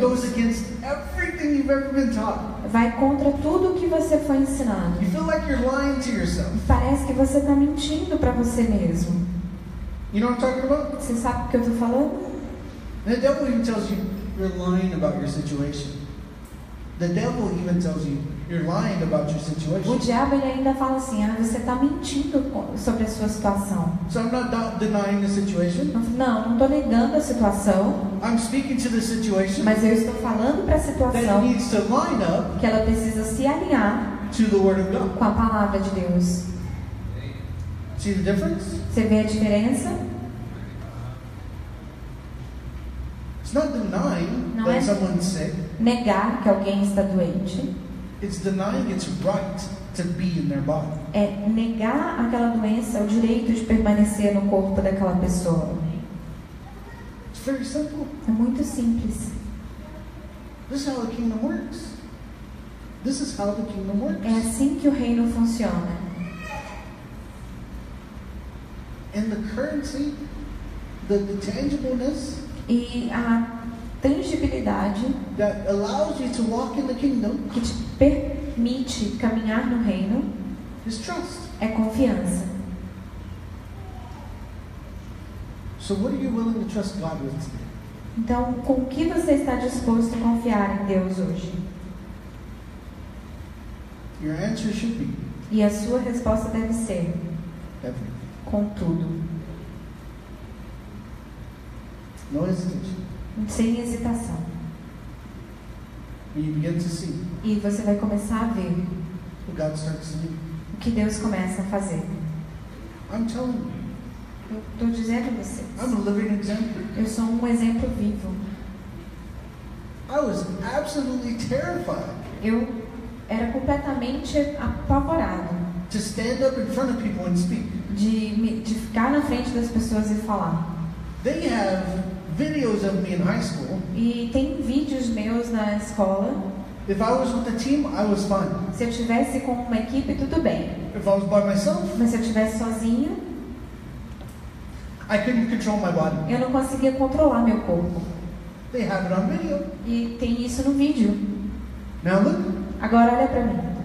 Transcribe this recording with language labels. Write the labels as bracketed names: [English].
[English] it goes against everything you've ever been taught. [Portuguese] Vai contra tudo o que você foi ensinado. [English] You feel like you're lying to yourself. [Portuguese] Parece que você está mentindo para você mesmo. [English] You know what I'm talking about? [Portuguese] Você sabe o que eu estou falando? [English] The devil even tells you you're lying about your situation. The devil even tells you you're lying about your situation. [Portuguese] O diabo ele ainda fala assim, ah, você está mentindo sobre a sua situação. [English] So I'm not denying the situation. [Portuguese] Não, não estou negando a situação. [English] I'm speaking to the situation. [Portuguese] Mas eu estou falando para a situação. [English] That needs to line up. [Portuguese] Que ela precisa se alinhar. [English] To the word of God. [Portuguese] Com a palavra de Deus. [English] See the difference? [Portuguese] Você vê a diferença? [English] It's not denying [Portuguese] não [English] that [Portuguese] é [English] someone's sick. [Portuguese] Negar que alguém está doente. [English] It's denying its right to be in their body. [Portuguese] É negar aquela doença o direito de permanecer no corpo daquela pessoa. [English] It's very simple. [Portuguese] É muito simples. [English] This is how the kingdom works. This is how the kingdom works. [Portuguese] É assim que o reino funciona. [English] And the currency, the tangibleness. [Portuguese] E a tangibilidade [English] that allows you to walk in the kingdom, [Portuguese] que te permite caminhar no reino [English] is trust. [Portuguese] É confiança. [English] So what are you willing to trust God with today? [Portuguese] Então, com o que você está disposto a confiar em Deus hoje? [English] Your answer should be, [Portuguese] e a sua resposta deve ser [English] everything. [Portuguese] Com tudo. [English] No hesitation. [Portuguese] Sem hesitação. [English] You begin to see. [Portuguese] E você vai começar a ver [English] God starts to do. [Portuguese] O que Deus começa a fazer. [English] I'm telling you. [Portuguese] Eu estou dizendo a você. [English] I'm a living example. [Portuguese] Eu sou um exemplo vivo. [English] I was absolutely terrified. [Portuguese] Eu era completamente apavorado. [English] To stand up in front of people and speak. [Portuguese] De ficar na frente das pessoas e falar. [English] They have videos of me in high school. [Portuguese] E tem vídeos meus na escola. [English] If I was with the team, I was fine. [Portuguese] Se eu estivesse com uma equipe, tudo bem. [English] If I was by myself, [Portuguese] mas se eu estivesse sozinho, [English] I couldn't control my body. [Portuguese] Eu não conseguia controlar meu corpo. [English] They have it on video. [Portuguese] E tem isso no vídeo. [English] Now look. [Portuguese] Agora olha para mim.